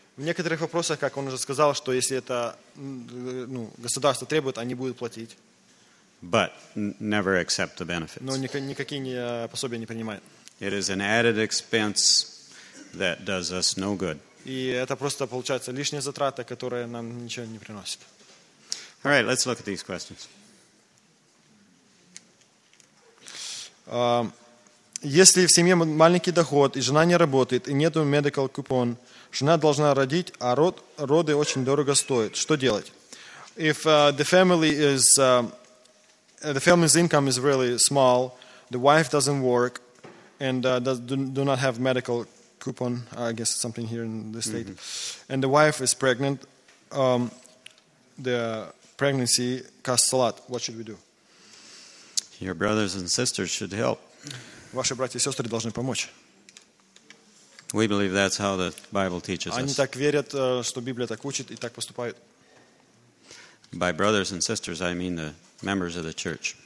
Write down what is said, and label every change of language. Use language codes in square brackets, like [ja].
[ru] В некоторых вопросах, как он уже сказал, что если это государство требует, они будут платить. [en] But never accept the benefits. [ru] Но никакие пособия не принимают. [en] It is an added expense that does us no good. [ru] И это просто получается лишняя затрата, которая нам ничего не приносит. [en] All right, let's look at these questions. [ru] Если в семье маленький доход, и жена не работает, и нету [en] medical coupon, [ru] жена должна родить, а роды очень дорого стоят. Что делать? [en] If the family's income is really small, the wife doesn't work, and do not have medical coupon, I guess something here in the state, and the wife is pregnant, the pregnancy costs a lot. What should we do? Your brothers and sisters should help. [ru] Ваши братья и сестры должны помочь. [en] We believe that's how the Bible teaches [ru] Они Они так верят, что Библия так учит и так поступают. [en] By brothers and sisters, I mean the members of the church.